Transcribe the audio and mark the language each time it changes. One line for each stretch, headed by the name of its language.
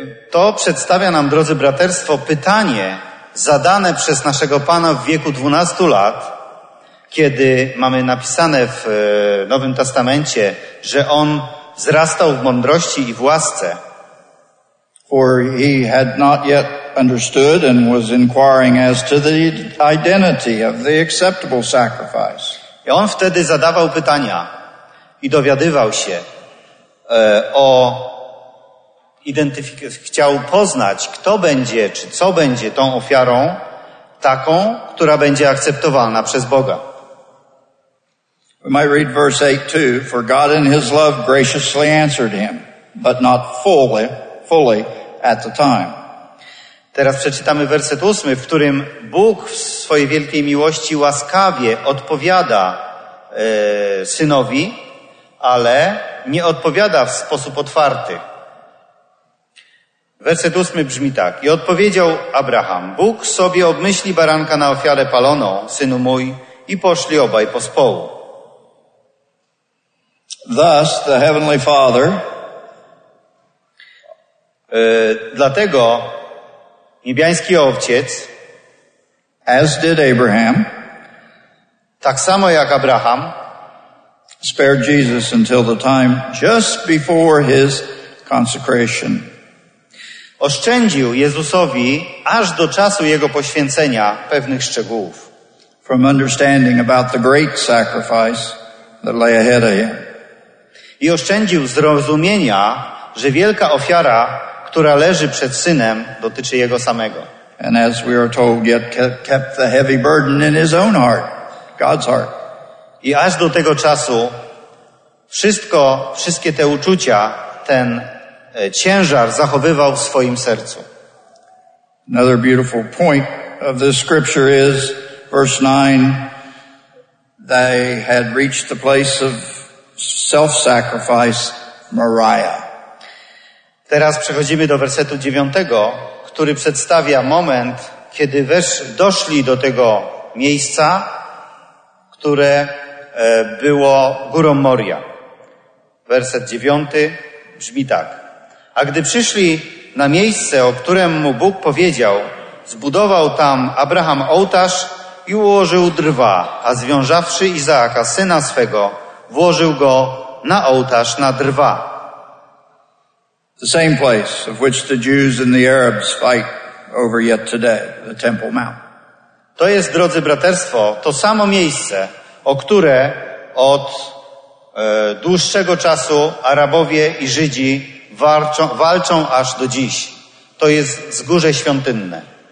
Polish: To przedstawia nam, drodzy braterstwo, pytanie zadane przez naszego Pana w wieku 12 lat, kiedy mamy napisane w Nowym Testamencie, że on wzrastał w mądrości i w łasce.
English: For he had not yet understood and was inquiring as to the identity of the acceptable sacrifice.
Polish: I on wtedy zadawał pytania i dowiadywał się o chciał poznać, kto będzie, czy co będzie tą ofiarą, taką, która będzie akceptowalna przez Boga.
English: We might read verse 8 too. For God in his love graciously answered him, but not fully at the time.
Polish: Teraz przeczytamy werset 8, w którym Bóg w swojej wielkiej miłości łaskawie odpowiada synowi, ale nie odpowiada w sposób otwarty. Werset 8 brzmi tak. I odpowiedział Abraham: Bóg sobie obmyśli baranka na ofiarę paloną, synu mój, i poszli obaj pospołu.
English: Thus the heavenly Father
Polish: dlatego niebiański Ojciec,
English: as did Abraham,
Polish: tak samo jak Abraham,
English: spared Jesus until the time just before his consecration.
Polish: Oszczędził Jezusowi aż do czasu jego poświęcenia pewnych szczegółów.
English: From understanding about the great sacrifice that lay ahead of him.
Polish: I oszczędził zrozumienia, że wielka ofiara, która leży przed synem, dotyczy jego samego.
English: And as we are told, yet kept the heavy burden in his own heart, God's heart.
Polish: I aż do tego czasu wszystkie te uczucia, ten ciężar zachowywał w swoim sercu.
English: Another beautiful point of this scripture is verse 9. They had reached the place of self-sacrifice, Moriah.
Polish: Teraz przechodzimy do wersetu 9, który przedstawia moment, kiedy doszli do tego miejsca, które było górą Moria. Werset 9 brzmi tak. A gdy przyszli na miejsce, o którym mu Bóg powiedział, zbudował tam Abraham ołtarz i ułożył drwa, a związawszy Izaaka, syna swego, włożył go na ołtarz, na drwa.
English: The same place of which the Jews and the Arabs fight over yet today, the Temple Mount.
Polish: To jest, drodzy braterstwo, to samo miejsce, o które od dłuższego czasu Arabowie i Żydzi walczą aż do dziś. To jest wzgórze świątynne.